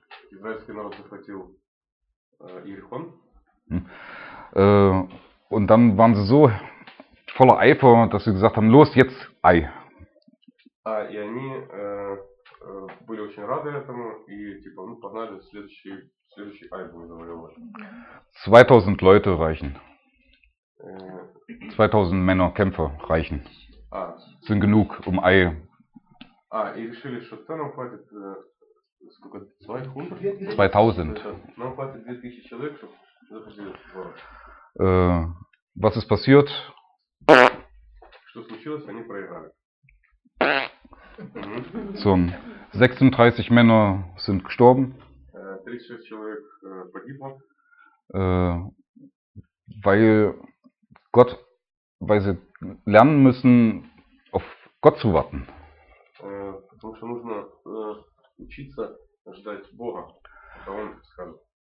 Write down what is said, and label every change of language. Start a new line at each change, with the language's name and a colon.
Russian: Израильский народ захватил Иерихон.
German: Und dann waren sie so voller Eifer, dass sie gesagt haben: Los, jetzt Ai.
Russian: И они были очень рады этому и типа, ну, погнали, следующий Ай будет завоевывать.
German: 2000 Leute reichen. 2000 Männer, Kämpfer reichen. Sind genug, um Ai.
Russian: И решили, что то нам хватит, сколько, 200? 2000. Нам хватит 2000 человек, чтобы захватить этот город.
German: Was ist passiert?
Russian: Что случилось? Они проиграли.
German: So, 36 Männer sind gestorben.
Russian: 36 человек погибло.
German: Weil Gott, weil sie lernen müssen, auf Gott zu warten.
Russian: Потому что нужно учиться ждать Бога, когда Он скажет.